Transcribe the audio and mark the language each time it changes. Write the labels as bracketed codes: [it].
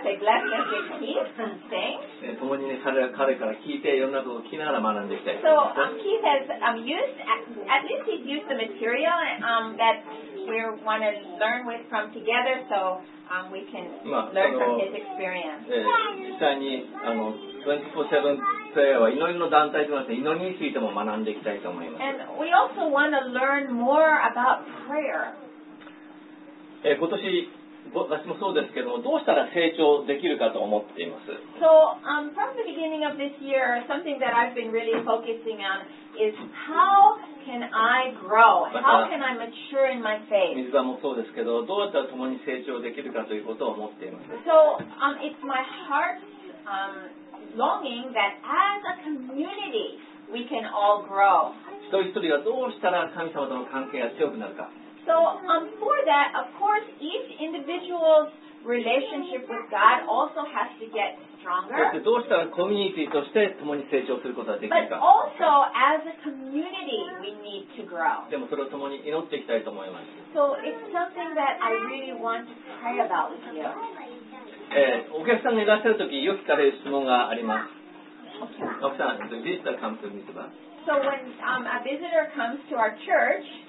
[en] They left us with Keith and staying. [ja] 共にね、彼から聞いて、いろんなことを聞きながら学んでいきたい。 [en] So, Keith has, used, at least he's used the material, that we want to learn with from together, so, we can learn from his experience. [ja] 実際に、24/7 プレイヤーは祈りの団体となって祈りについても学んでいきたいと思います。 [en] And we also want to learn more about prayer. [ja] 今年私もそうですけども、どうしたら成長できるかと思っています。 [en] So, from the beginning of this year, something that I've been really focusing on is how can I grow? How can I mature in my faith? [ja] 水場もそうですけど、どうやったら共に成長できるかということを思っています。 [en] So, it's my heart's, longing that as a community we can all grow. [ja] 一人一人がどうしたら神様との関係が強くなるか。 [en] So, for that, of course, each individual's relationship with God also has to get stronger. [ja] そしてどうしたらコミュニティとして共に成長することができるか。 [en] But also, as a community, we need to grow. [ja] でもそれを共に祈っていきたいと思います。 [en] So, it's something that I really want to pray about with you. [ja] お客さんがいらっしゃるとき、よく聞かれる質問があります。奥さん、ビジターが来るミズバ。 [en] So when, a visitor comes to our church,